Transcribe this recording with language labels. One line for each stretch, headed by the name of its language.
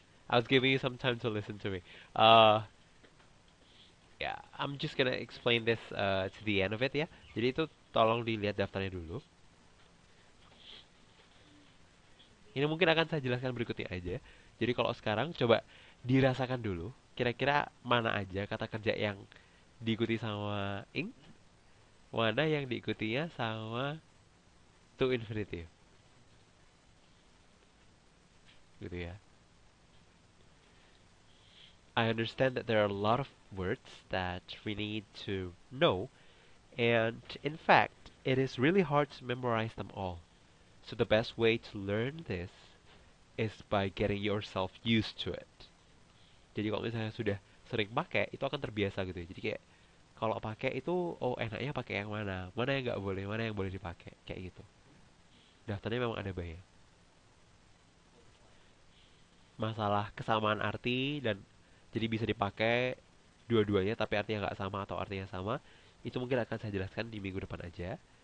English: I was giving you some time to listen to me. Yeah, I'm just gonna explain this to the end of it ya.
Indonesian: Jadi itu tolong dilihat daftarnya dulu. Ini mungkin akan saya jelaskan berikutnya aja. Jadi kalau sekarang coba dirasakan dulu, kira-kira mana aja kata kerja yang diikuti sama ing, mana yang diikutinya sama to infinitive. Gitu ya.
English: I understand that there are a lot of words that we need to know, and in fact, it is really hard to memorize them all. So the best way to learn this is by getting yourself used to it.
Indonesian: Jadi kalau misalnya sudah sering pakai, itu akan terbiasa gitu ya. Jadi kayak kalau pakai itu, oh enaknya pakai yang mana? Mana yang nggak boleh? Mana yang boleh dipakai? Kayak gitu. Daftarnya memang ada banyak. Masalah kesamaan arti dan jadi bisa dipakai dua-duanya tapi artinya nggak sama atau artinya sama, itu mungkin akan saya jelaskan di minggu depan aja.